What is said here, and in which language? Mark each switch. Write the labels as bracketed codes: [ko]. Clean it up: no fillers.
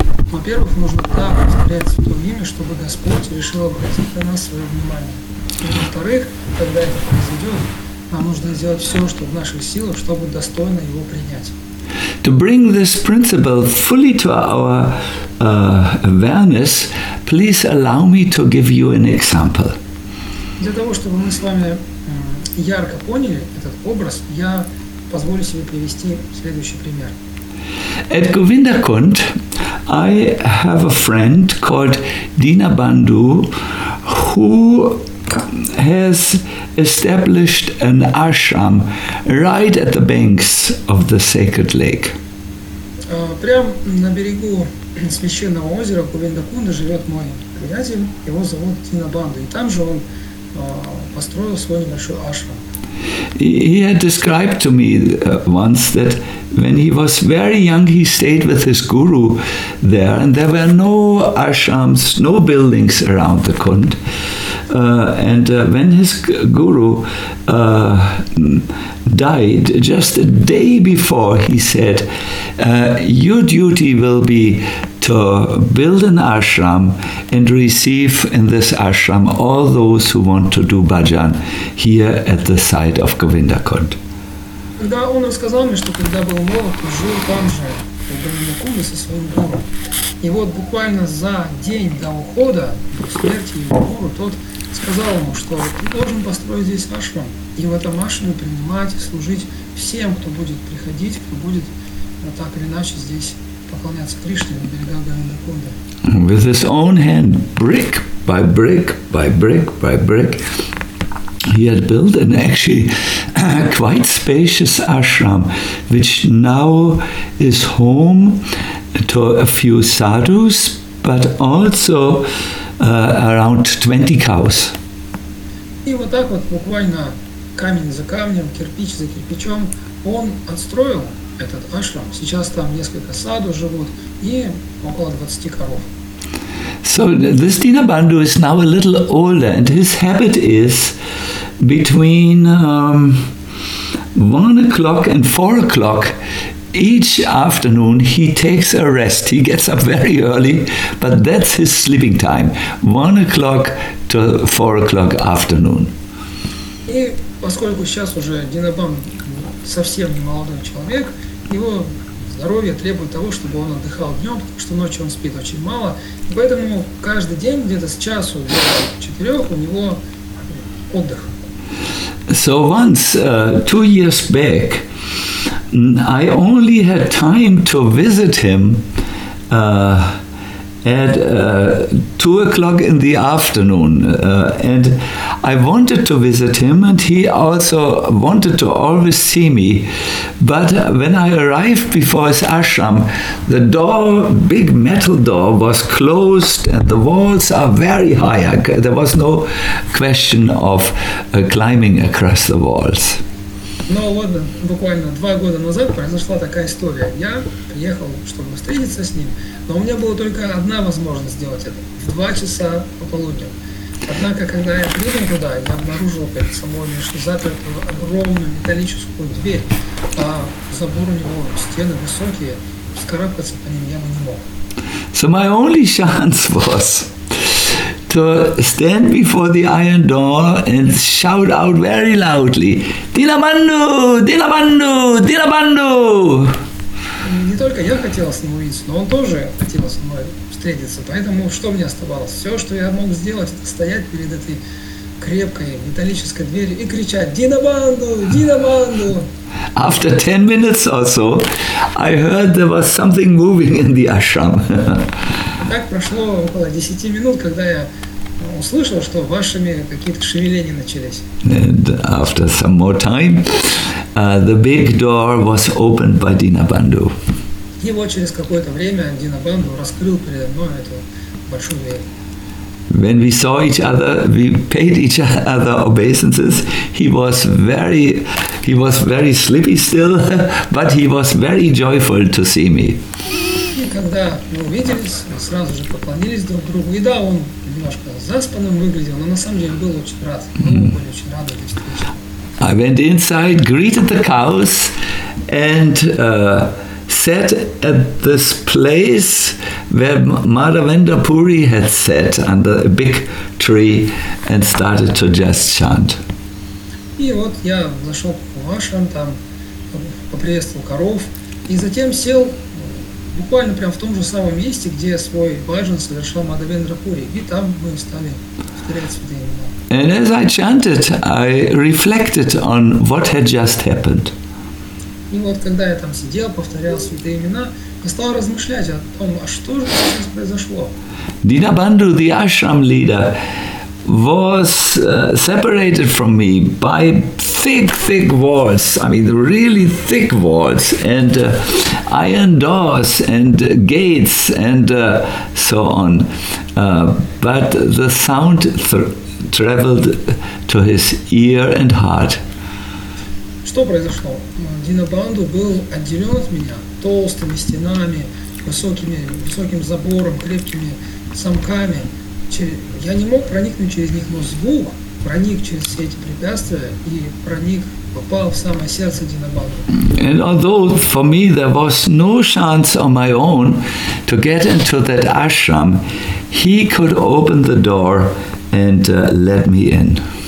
[ru] Во-первых, нужно так повторяться в то время, чтобы Господь решил обратить на нас свое внимание. И во-вторых, когда это произойдет, нам нужно сделать все, что в наших силах, чтобы достойно его принять. [en] To bring this principle fully to our awareness, please allow me to give you an example. [ru] Для того, чтобы мы с вами ярко поняли этот образ, я позволю себе привести следующий пример. [en] At Govindakund, I have a friend called Dina Bandhu, who has established an ashram right at the banks of the sacred lake. [ru] Прям на берегу священного озера Говиндакунда живет мой приятель. Его зовут Дина Банду, и там же он построил свой небольшой ашрам. [en] He had described to me once that when he was very young, he stayed with his guru there, and there were no ashrams, no buildings around the Kund. When his guru died, just a day before, he said, your duty will be to build an ashram and receive in this ashram all those who want to do bhajan here at the site of Govindakund. [ru] Когда он рассказал мне, что когда был молод, он жил там же, в Говиндакунде, со своим гуру. И вот буквально за день до ухода, до смерти его гуру, тот сказал ему, что ты должен построить здесь ашрам, и в этом ашраме принимать и служить всем, кто будет приходить, кто будет так или иначе здесь поклоняться Кришне на берегах Говиндакунды. [en] With his own hand, brick by brick by brick by brick, he had built an actually quite spacious ashram, which now is home to a few sadhus, but also around 20 cows. [ru] И вот так вот буквально камень за камнем, кирпич за кирпичом, он отстроил этот ашрам. Сейчас там несколько садов живут и около 20 коров. [en] So this Dina Bandhu is now a little older, and his habit is between 1 o'clock and 4 o'clock each afternoon he takes a rest. He gets up very early, but that's his sleeping time. 1 o'clock to 4 o'clock afternoon. [ru] И поскольку сейчас уже Dina Bandhu совсем не молодой человек, его здоровье требует того, чтобы он отдыхал днем, потому что ночью он спит очень мало. И поэтому каждый день где-то с часу до четырех у него отдых. [en] So once, 2 years back, I only had time to visit him at 2 o'clock in the afternoon. And I wanted to visit him, and he also wanted to always see me. But when I arrived before his ashram, the door, big metal door, was closed, and the walls are very high. There was no question of climbing across the walls. [ru] Ну вот, буквально 2 года назад произошла такая история. Я приехал, чтобы встретиться с ним, но у меня была только одна возможность сделать это – в 2 часа пополудня. Однако, когда я прибыл туда, я обнаружил перед собой, что запертую огромную металлическую дверь, а забор у него, стены высокие, вскарабкаться по ним я бы не мог. [en] So my only chance was to stand before the iron door and shout out very loudly, Dina Bandhu! Dina Bandhu! Dina Bandhu! [ru] Не только я хотел с ним увидеться, но он тоже хотел со мной встретиться. Поэтому что мне оставалось? Все, что я мог сделать, это стоять перед этой крепкой металлической дверью и кричать, Dina Bandhu! Dina Bandhu! [en] After 10 minutes or so, I heard there was something moving in the ashram. [ru] Так прошло около 10 минут, когда я услышал, что вашими какие-то шевеления начались. [en] And after some more time, the big door was opened by Dina Bandhu. [ru] И вот через какое-то время Dina Bandhu раскрыл передо мной эту большую дверь. [en] When we saw each other, we paid each other obeisances. He was very sleepy still, but he was very joyful to see me. [ru] Когда мы увиделись, мы сразу же поклонились друг другу. И да, он немножко заспанным выглядел, но на самом деле был очень рад. Мы были очень рады. [en] I went inside, greeted the cows, and sat at this place where Madhavendra Puri had sat under a big tree and started to just chant. [ru] И вот я зашел в ашрам, там поприветствовал коров, и затем сел буквально прямо в том же самом месте, где свой баджан совершал Мадхавендра Пури, и там мы стали повторять святые имена. [en] And as I chanted, I reflected on what had just happened. [ru] И вот когда я там сидел, повторял святые имена, я стал размышлять о том, а что же сейчас произошло. [en] Dinabandhu, the ashram leader, was separated from me by thick walls, I mean really thick walls, and iron doors and gates and so on. But the sound traveled to his ear and heart. [ru] Что произошло? Dinabandhu был отделен от меня толстыми стенами, высоким забором, крепкими замками. Я не мог проникнуть через них, но звук проник через все эти препятствия и проник, попал в самое сердце Dinabandhu. [en] And although for me there was no chance on my own to get into that ashram, he could open the door and let me in.